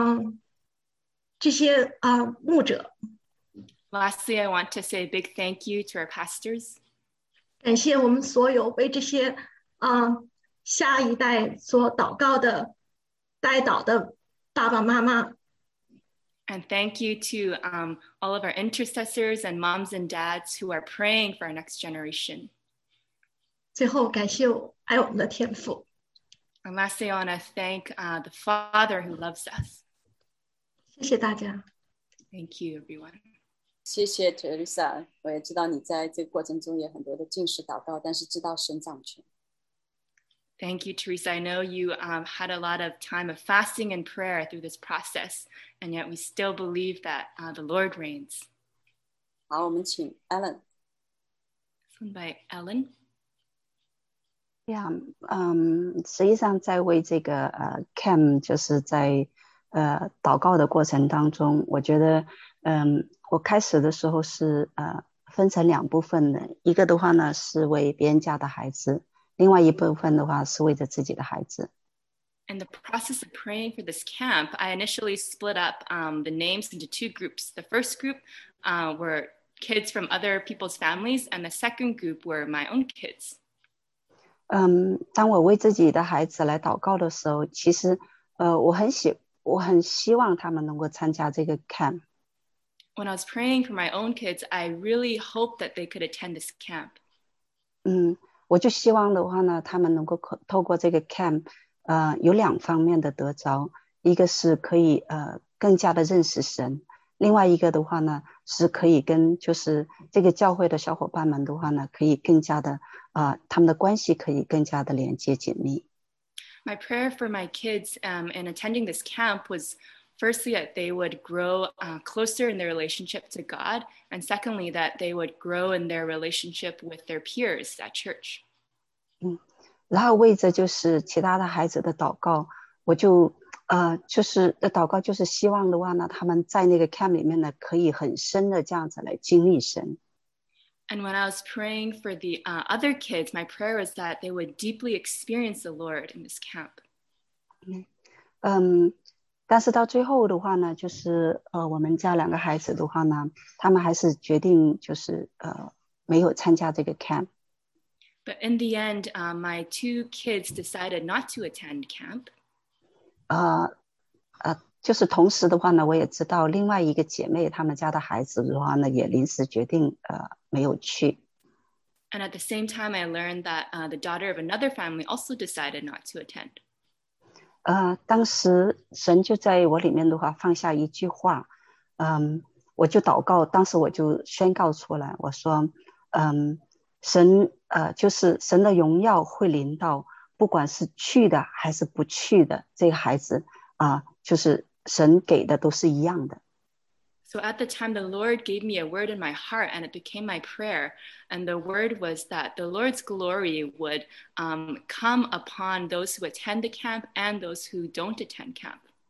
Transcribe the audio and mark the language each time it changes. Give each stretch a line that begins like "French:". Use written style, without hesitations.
Chinese: 我最后想说，感谢这些牧者。
English: Lastly, I want to say a big thank you to our pastors.
Chinese: 感谢我们所有为这些 下一代所祷告的代祷的爸爸妈妈。
English: And thank you to all of our intercessors and moms and dads who are praying for our next generation.
Chinese: 最后感谢爱我们的天父。
English: And lastly, I want to thank the Father who loves us.
Chinese: 谢谢大家。
English: Thank you, everyone.
Chinese: 谢谢 Teresa, 我也知道你在这个过程中也很多的禁食祷告，但是知道神掌权。
English: Thank you, Teresa. I know you had a lot of time of fasting and prayer through this process, and yet we still believe that the Lord reigns.
Chinese: 好，我们请Ellen.
English: Phone by Ellen.
Chinese: Yeah, 实际上在为这个 camp 就是在祷告的过程当中，我觉得 我开始的时候是 分成两部分的，一个的话呢是为别人家的孩子。 另外一部分的话是为着自己的孩子。
English: In the process of praying for this camp, I initially split up the names into two groups. The first group were kids from other people's families, and the second group were my own kids.
Chinese: 当我为自己的孩子来祷告的时候，其实，我很希望他们能够参加这个 camp。
English: When I was praying for my own kids, I really hoped that they could attend this camp.
Chinese: 我就希望的话呢，他们能够透过这个 camp， 有两方面的得着，一个是可以更加的认识神，另外一个的话呢，是可以跟就是这个教会的小伙伴们的话呢，可以更加的。他们的关系可以更加的连接紧密。
English: My prayer for my kids in attending this camp was firstly that they would grow closer in their relationship to God, and secondly that they would grow in their relationship with their peers at church.
Chinese: 然后为着就是其他的孩子的祷告，我就就是祷告就是希望的话呢，他们在那个 camp 里面呢，可以很深的这样子来经历神。
English: And when I was praying for the other kids, my prayer was that they would deeply experience the Lord in this camp.
Chinese: 但是到最后的话呢，就是我们家两个孩子的话呢，他们还是决定就是没有参加这个 camp.
English: But in the end, my two kids decided not to attend camp.
Chinese: 就是同时的话呢，我也知道另外一个姐妹他们家的孩子的话呢，也临时决定没有去。
English: And at the same time, I learned that the daughter of another family also decided not to attend.
Chinese: 当时神就在我里面的话放下一句话，我就祷告，当时我就宣告出来，我说，神，就是神的荣耀会临到，不管是去的还是不去的这个孩子，就是神给的都是一样的。
English: So at the time, the Lord gave me a word in my heart, and it became my prayer. And the word was that the Lord's glory would come upon those who attend the camp and those who don't attend camp.